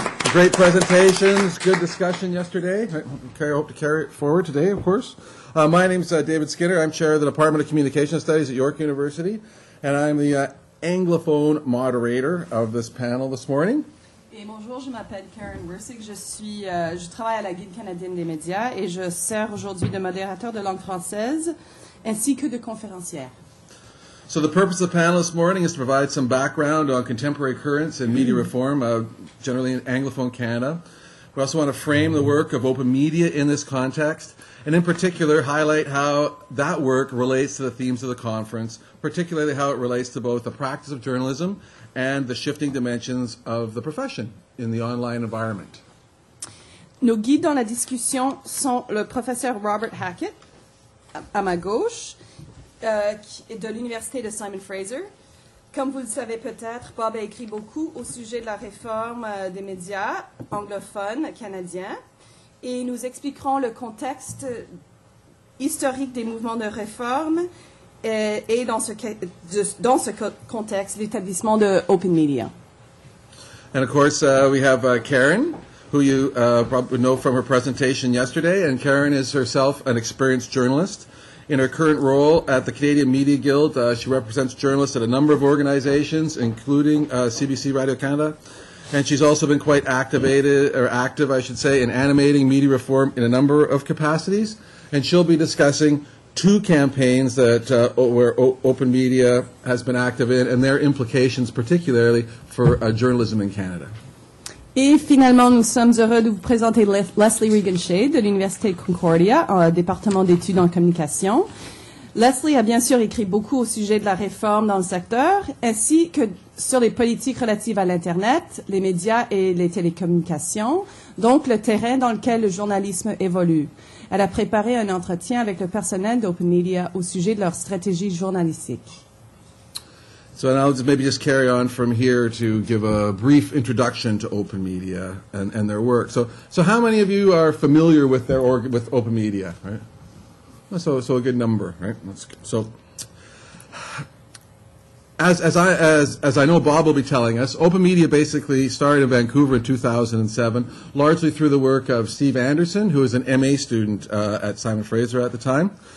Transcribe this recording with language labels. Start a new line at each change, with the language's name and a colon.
English: Great presentations, good discussion yesterday. I hope to carry it forward today, of course. My name's David Skinner. I'm chair of the Department of Communication Studies at York University, and I'm the Anglophone moderator of this panel this morning.
French: Et bonjour, je m'appelle Karen Wersig. Je travaille à la Guide canadienne des médias et je sers aujourd'hui de modérateur de langue française ainsi que de conférencière.
English: So the purpose of the panel this morning is to provide some background on contemporary currents in media reform, generally in Anglophone Canada. We also want to frame the work of open media in this context, and in particular, highlight how that work relates to the themes of the conference, particularly how it relates to both the practice of journalism and the shifting dimensions of the profession in the online environment.
French: Nos guides dans la discussion sont le professeur Robert Hackett, à ma gauche, de l'Université de Simon Fraser. Comme vous le savez peut-être, Bob a écrit beaucoup au sujet de la réforme des médias anglophones canadiens. Et nous expliquerons le contexte historique des mouvements de réforme et dans ce contexte, l'établissement de Open Media.
English: And of course, we have Karen, who you probably know from her presentation yesterday. And Karen is herself an experienced journalist. In her current role at the Canadian Media Guild, she represents journalists at a number of organizations, including CBC Radio Canada. And she's also been quite active in animating media reform in a number of capacities. And she'll be discussing two campaigns that open media has been active in and their implications, particularly for journalism in Canada.
French: Et finalement, nous sommes heureux de vous présenter Leslie Regan-Shea de l'Université Concordia, département d'études en communication. Leslie a bien sûr écrit beaucoup au sujet de la réforme dans le secteur, ainsi que sur les politiques relatives à l'Internet, les médias et les télécommunications, donc le terrain dans lequel le journalisme évolue. Elle a préparé un entretien avec le personnel d'Open Media au sujet de leur stratégie journalistique.
English: So now I'll maybe just carry on from here to give a brief introduction to Open Media and their work. So how many of you are familiar with with Open Media, right? So a good number, right? That's good. So as I know Bob will be telling us, Open Media basically started in Vancouver in 2007, largely through the work of Steve Anderson, who was an MA student at Simon Fraser at the time.